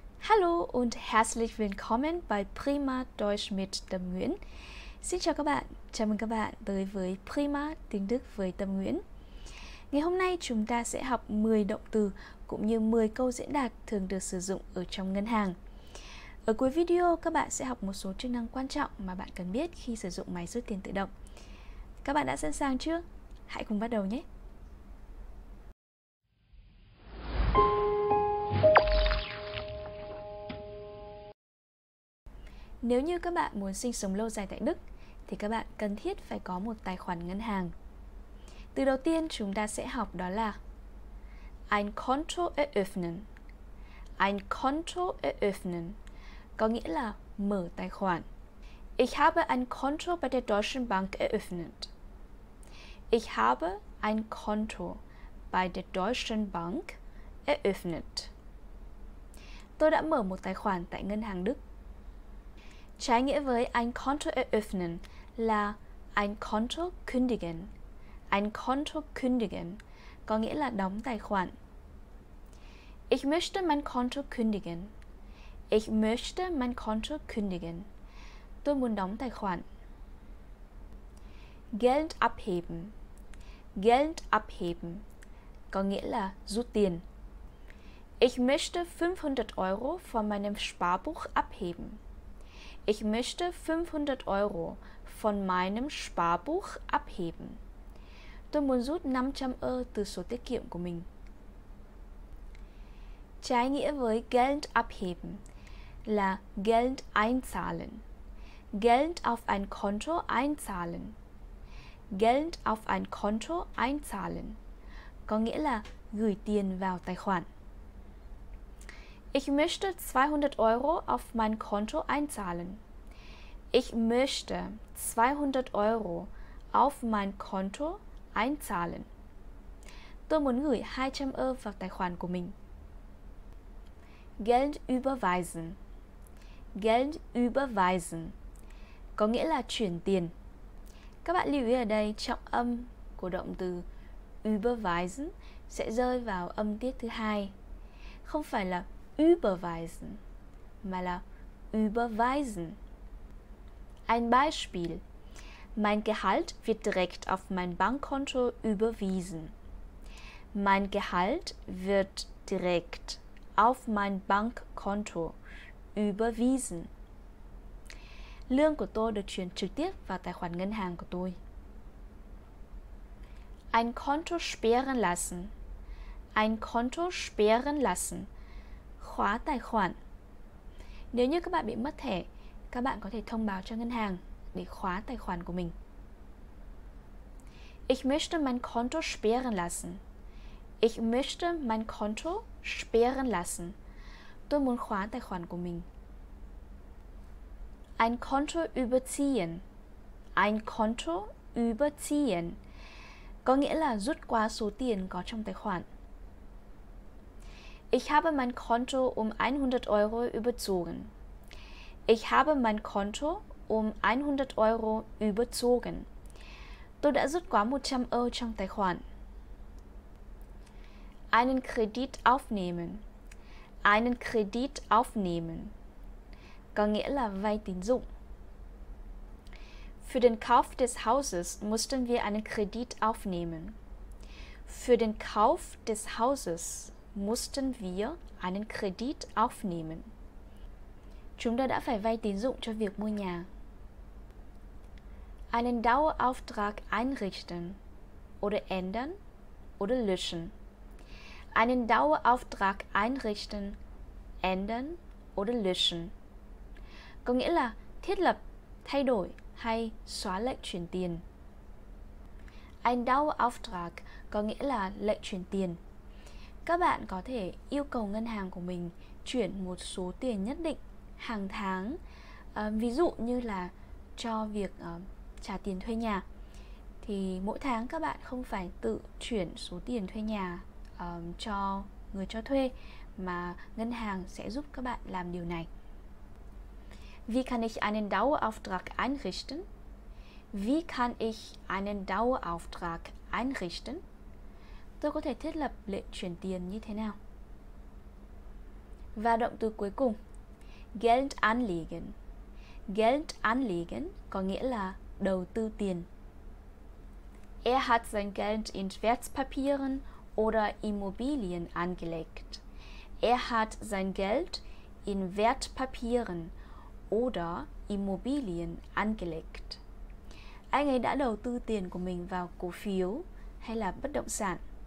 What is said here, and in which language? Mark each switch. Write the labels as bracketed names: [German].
[German] Hallo und herzlich willkommen bei Prima Deutsch mit Tâm Nguyễn. [Vietnamese] Xin chào mừng các bạn tới với Prima Tiếng Đức với Tâm Nguyễn. Ngày hôm nay chúng ta sẽ học 10 động từ cũng như 10 câu diễn đạt thường được sử dụng ở trong ngân hàng. Ở cuối video, các bạn sẽ học một số chức năng quan trọng mà bạn cần biết khi sử dụng máy rút tiền tự động. Các bạn đã sẵn sàng chưa? Hãy cùng bắt đầu nhé! Nếu như các bạn muốn sinh sống lâu dài tại Đức, thì các bạn cần thiết phải có một tài khoản ngân hàng. Từ đầu tiên chúng ta sẽ học đó là [German] ein Konto eröffnen. Ein Konto eröffnen [Vietnamese] có nghĩa là mở tài khoản. [German] Ich habe ein Konto bei der Deutschen Bank eröffnet. Ich habe ein Konto bei der Deutschen Bank eröffnet. [Vietnamese] Tôi đã mở một tài khoản tại ngân hàng Đức. Trái nghĩa với [German] ein Konto eröffnen [Vietnamese] là [German] ein Konto kündigen. Ein Konto kündigen [Vietnamese] có nghĩa là đóng tài khoản. [German] Ich möchte mein Konto kündigen. Ich möchte mein Konto kündigen. [Vietnamese] Tôi muốn đóng tài khoản. [German] Geld abheben. Geld abheben [Vietnamese] có nghĩa là rút tiền. [German] Ich möchte 500 Euro von meinem Sparbuch abheben. Ich möchte 500 Euro von meinem Sparbuch abheben. [Vietnamese] Tôi muốn rút 500 € từ sổ tiết kiệm của mình. Trái nghĩa với [German] Geld abheben [Vietnamese] là [German] Geld einzahlen. Geld auf ein Konto einzahlen. Geld auf ein Konto einzahlen [Vietnamese] có nghĩa là gửi tiền vào tài khoản. [German] Ich möchte 200 Euro auf mein Konto einzahlen. Ich möchte 200 Euro auf mein Konto einzahlen. [Vietnamese] Tôi muốn gửi 200 € vào tài khoản của mình. [German] Geld überweisen. Geld überweisen [Vietnamese] có nghĩa là chuyển tiền. Các bạn lưu ý ở đây trọng âm của động từ überweisen sẽ rơi vào âm tiết thứ hai. Không phải là überweisen, mà là überweisen. [German] Ein Beispiel. Mein Gehalt wird direkt auf mein Bankkonto überwiesen. Mein Gehalt wird direkt auf mein Bankkonto überwiesen. [Vietnamese] Lương của tôi được chuyển trực tiếp vào tài khoản ngân hàng của tôi. [German] Ein Konto sperren lassen. Ein Konto sperren lassen. [Vietnamese] Khóa tài khoản. Nếu như các bạn bị mất thẻ, các bạn có thể thông báo cho ngân hàng để khóa tài khoản của mình. [German] Ich möchte mein Konto sperren lassen. Ich möchte mein Konto sperren lassen. [Vietnamese] Tôi muốn khóa tài khoản của mình. [German] Ein Konto überziehen. Ein Konto überziehen [Vietnamese] có nghĩa là rút quá số tiền có trong tài khoản. [German] Ich habe mein Konto um 100 Euro überzogen. Ich habe mein Konto um 100 Euro überzogen. [Vietnamese] Tôi đã rút quá 100 € trong tài khoản. [German] Einen Kredit aufnehmen. Einen Kredit aufnehmen. [Vietnamese] Có nghĩa là vay tín dụng. [German] Für den Kauf des Hauses mussten wir einen Kredit aufnehmen. Für den Kauf des Hauses mussten wir einen Kredit aufnehmen. [Vietnamese] Chúng ta đã phải vay tín dụng cho việc mua nhà. [German] Einen Dauerauftrag einrichten oder ändern oder löschen. Einen Dauerauftrag einrichten, ändern oder löschen. [Vietnamese] Có nghĩa là thiết lập, thay đổi hay xóa lệnh chuyển tiền. [German] Ein Dauerauftrag [Vietnamese] có nghĩa là lệnh chuyển tiền. Các bạn có thể yêu cầu ngân hàng của mình chuyển một số tiền nhất định hàng tháng, ví dụ như là cho việc trả tiền thuê nhà. Thì mỗi tháng các bạn không phải tự chuyển số tiền thuê nhà cho người cho thuê, mà ngân hàng sẽ giúp các bạn làm điều này. [German] Wie kann ich einen Dauerauftrag einrichten? Wie kann ich einen Dauerauftrag einrichten? [Vietnamese] Tôi có thể thiết lập lệnh chuyển tiền như thế nào? Và động từ cuối cùng, [German] Geld anlegen. Geld anlegen [Vietnamese] có nghĩa là đầu tư tiền. [German] Er hat sein Geld in Wertpapieren oder Immobilien angelegt. Er hat sein Geld in Wertpapieren oder Immobilien angelegt. [Vietnamese] Anh ấy đã đầu tư tiền của mình vào cổ phiếu hay là bất động sản.